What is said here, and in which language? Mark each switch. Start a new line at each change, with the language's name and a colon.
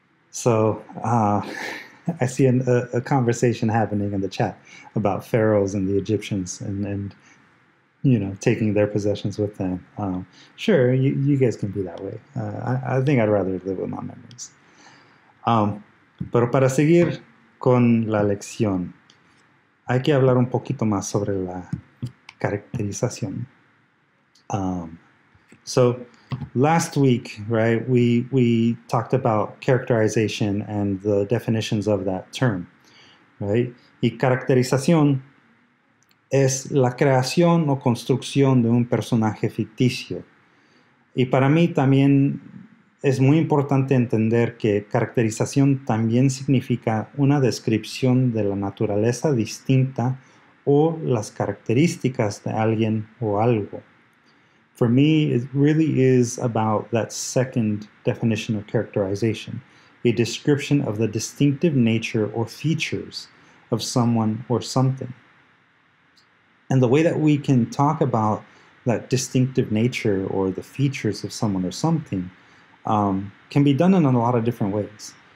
English: So I see a conversation happening in the chat about pharaohs and the Egyptians and you know, taking their possessions with them. Sure, you guys can be that way. I think I'd rather live with my memories.
Spanish: Pero para seguir con la lección, hay que hablar un poquito más sobre la caracterización.
English: So last week, right, we talked about characterization and the definitions of that term, right?
Spanish: Y caracterización es la creación o construcción de un personaje ficticio. Y para mí también es muy importante entender que caracterización también significa una descripción de la naturaleza distinta o las características de alguien o algo.
English: For me, it really is about that second definition of characterization, a description of the distinctive nature or features of someone or something. And the way that we can talk about that distinctive nature or the features of someone or something can be done in a lot of different ways.